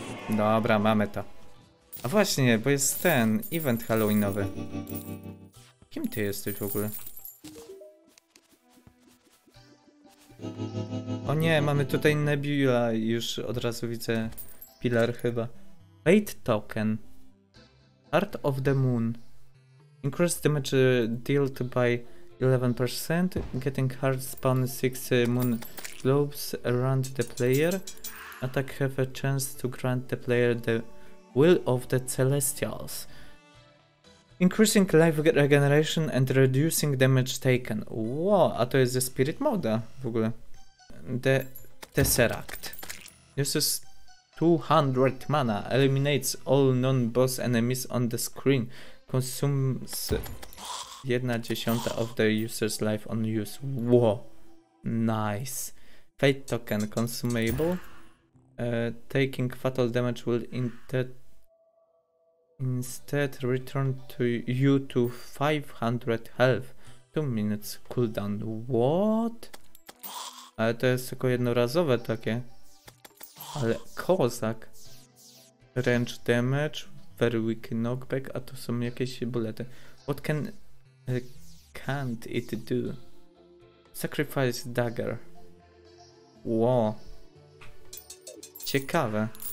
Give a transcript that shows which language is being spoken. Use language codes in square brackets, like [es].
[pl] Dobra, mamy to. A właśnie, bo jest ten event halloweenowy. Kim ty jesteś w ogóle? O nie, mamy tutaj Nebula i już od razu widzę pilar chyba. [en] Fate Token. Heart of the Moon. Increased damage dealt by 11%, getting hard spawn 6 moon globes around the player. Attack have a chance to grant the player the will of the celestials. Increasing life regeneration and reducing damage taken. [pl] Wow, a to jest ze spirit moda w ogóle. [en] The Tesseract. Uses 200 mana, eliminates all non-boss enemies on the screen. Consumes 1/10 of the user's life on use. Wow, nice. Fate token consumable. Taking fatal damage will instead return to you to 500 health. 2 minutes cooldown. What? [pl] Ale to jest tylko jednorazowe takie. Ale kozak. [en] Range damage. Very weak knockback, [pl] a to są jakieś bulety. [en] What can't it do? Sacrifice dagger. Wow. [pl] Ciekawe.